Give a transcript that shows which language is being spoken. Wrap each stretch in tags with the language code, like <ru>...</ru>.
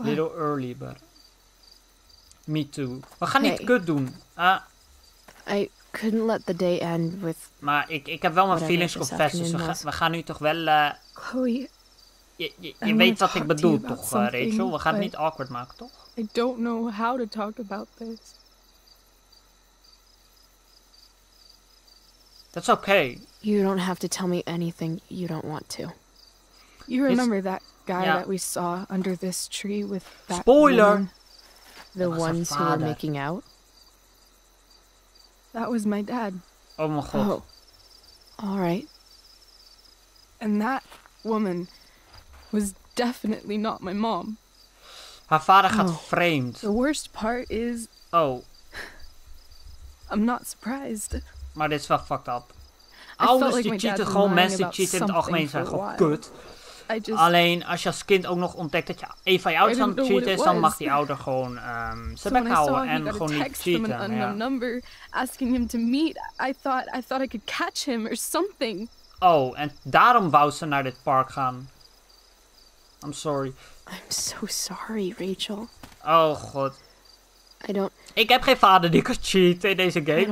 <en>Little early, but... Me too.</en> <nl>We gaan niet kut doen.</nl> <en>I couldn't let the day end with...</en> <nl>Maar ik heb wel mijn</nl> <en>feelings confessed,</en> <nl>dus we gaan nu toch wel...</nl> <en>Chloe...</en> <nl>Je weet wat ik bedoel, toch, Rachel? We gaan het niet awkward maken, toch?</nl> <en>I don't know how to talk about this. That's okay. You don't have to tell me anything you don't want to. You remember that guy that we saw under this tree with that... Spoiler! Woman, the ones who were making out? That was my dad. Oh, my God. Oh. All right. And that woman... was definitely not my mom.</en> <nl>Haar vader gaat vreemd.</nl> <en>The worst part is... Oh. I'm not surprised.</en> <nl>Maar dit is wel fucked up. Ouders die cheaten, gewoon mensen die cheaten in het algemeen zijn gewoon kut. Alleen, als je als kind ook nog ontdekt dat je een van je ouders aan het cheaten is, dan mag die ouder gewoon ze bek houden en gewoon niet cheaten.</nl> <en>An unknown number asking him to meet. I thought I could catch him or something.</en> <nl>Oh, en daarom wou ze naar dit park gaan.</nl> <en>I'm sorry. I'm so sorry, Rachel. Oh, God. I don't...</en> <nl>Ik heb geen vader die kan cheaten in deze game.</nl>